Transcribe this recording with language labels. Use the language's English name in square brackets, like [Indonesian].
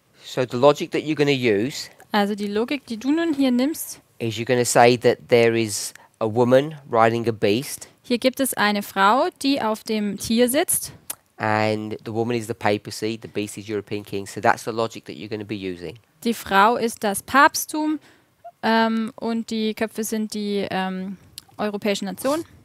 [English] So the logic that you're going to use. [German] Also die Logik, die du nun hier nimmst. [English] Is you're going to say that there is a woman riding a beast. [German] Hier gibt es eine Frau, die auf dem Tier sitzt. [English] And the woman is the papacy, the beast is European king. So that's the logic that you're going to be using. [German] Die Frau ist das Papsttum und die Köpfe sind die europäischen Nationen.